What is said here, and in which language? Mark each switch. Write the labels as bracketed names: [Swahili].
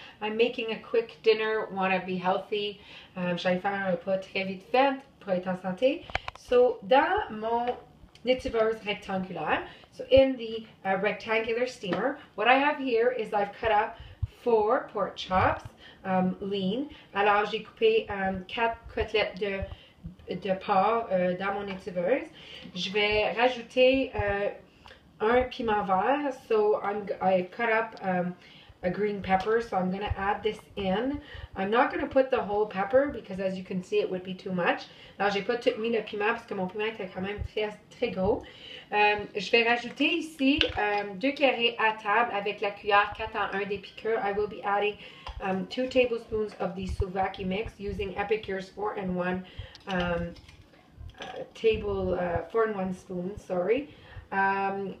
[English] I'm making a quick dinner, wanna be healthy. [French] J'allais faire un repas très vite fait pour être en santé. [English] So, [French] dans mon étuveuse rectangulaire, [English] so in the rectangular steamer, what I have here is I've cut up 4 pork chops, lean. [French] Alors, j'ai coupé 4 côtelettes de porc dans mon étuveuse. Je vais rajouter un piment vert. [English] So, I cut up a green pepper. So, I'm going to add this in. I'm not going to put the whole pepper because, as you can see, it would be too much. [French] Alors, j'ai pas tout mis le piment parce que mon piment était quand même très, très gros. Je vais rajouter ici 2 carrés à table avec la cuillère 4 en 1 d'épicure. [English] I will be adding 2 tablespoons of the Souvlaki mix using Epicures 4-in-1 4-in-1 spoon.